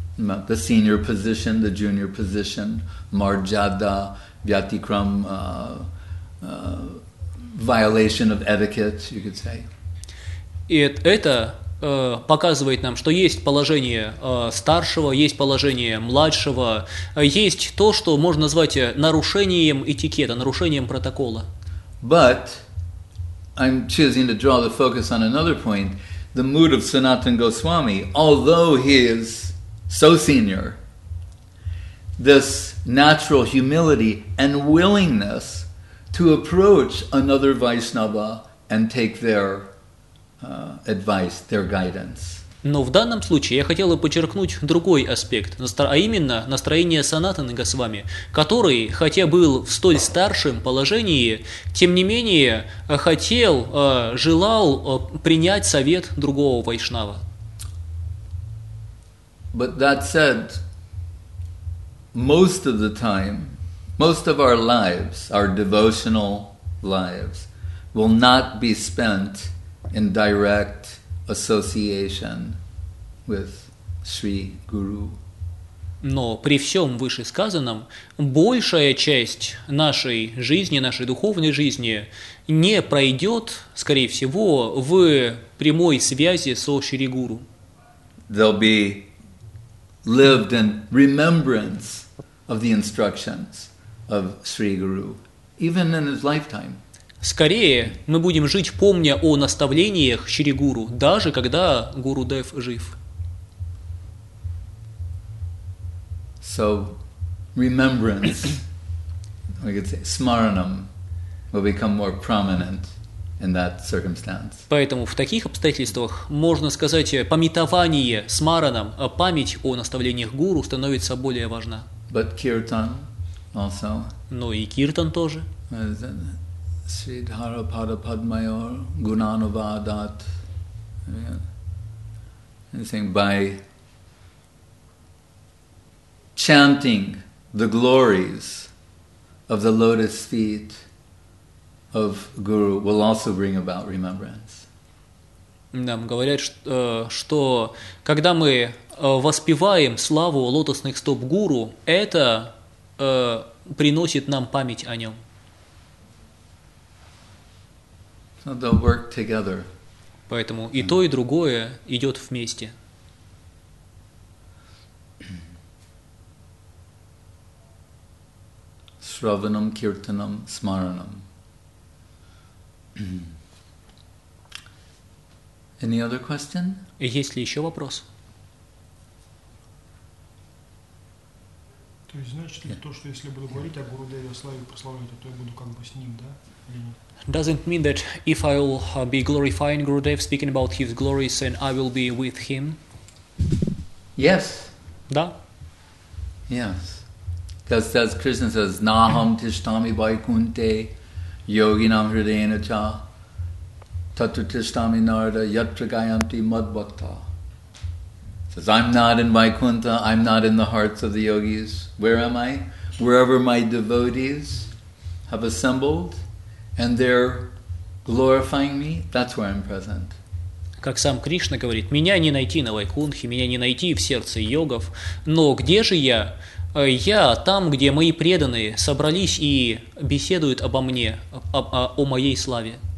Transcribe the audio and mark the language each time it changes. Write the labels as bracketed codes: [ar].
[en] The senior position, the junior position, марджада, вятикрам, violation of etiquette, you could say. [ru] И это показывает нам, что есть положение старшего, есть положение младшего, есть то, что можно назвать нарушением этикета, нарушением протокола. [en] But I'm choosing to draw the focus on another point, the mood of Sanatana Goswami, although he is so senior, this natural humility and willingness to approach another Vaishnava and take their advice, their guidance. [ru] Но в данном случае я хотел бы подчеркнуть другой аспект, а именно настроение Санатаны Госвами, который, хотя был в столь старшем положении, тем не менее хотел, желал принять совет другого вайшнава. [en] But that said, most of the time, most of our lives, our devotional lives, will not be spent in direct association with Sri Guru. [ru] Но при всем вышесказанном, большая часть нашей жизни, нашей духовной жизни, не пройдет, скорее всего, в прямой связи со Шри Гуру. [en] There'll be lived in remembrance of the instructions of Sri Guru, even in his lifetime. [ru] Скорее, мы будем жить, помня о наставлениях Шри Гуру, даже когда Гуру Дев жив. [en] So, remembrance, we could say, smaranam, will become more prominent in that circumstance. [ru] Поэтому в таких обстоятельствах, можно сказать, памятование смаранам, память о наставлениях Гуру становится более важна. [en] But kirtan also. [ru] Но и киртан тоже. [sa] Sridhara Pada Padmayor Gunanuvadat. [en] I'm saying by chanting the glories of the lotus feet of Guru will also bring about remembrance. [ru] Нам говорят, что когда мы воспеваем славу лотосных стоп Гуру, это приносит нам память о нем. [en] So they'll work together. [ru] Поэтому и то, и другое идет вместе. [sa] Shravanam, kirtanam, smaranam. [en] Any other question? [ru] Есть ли еще вопрос? То есть, значит ли то, что если буду говорить о Гуру Деве, о славе и прославлении, то я буду как бы с ним, да? [en] Doesn't mean that if I'll be glorifying Gurudev, speaking about his glories, and I will be with him? Yes. [ru] Да? [en] Yes. Because as Krishna says, [sa] Naham tishtami vaikunte yoginam hridayena cha tatra tishtami narada yatra gayanti madbhakta. [en] Says, I'm not in Vaikuntha, I'm not in the hearts of the yogis. Where am I? Wherever my devotees have assembled, and they're glorifying me, that's where I'm present. [ru] Как сам Кришна говорит, меня не найти на Вайкунхе, меня не найти в сердце йогов, но где же я? Я там, где мои преданные собрались и беседуют обо мне, о моей славе.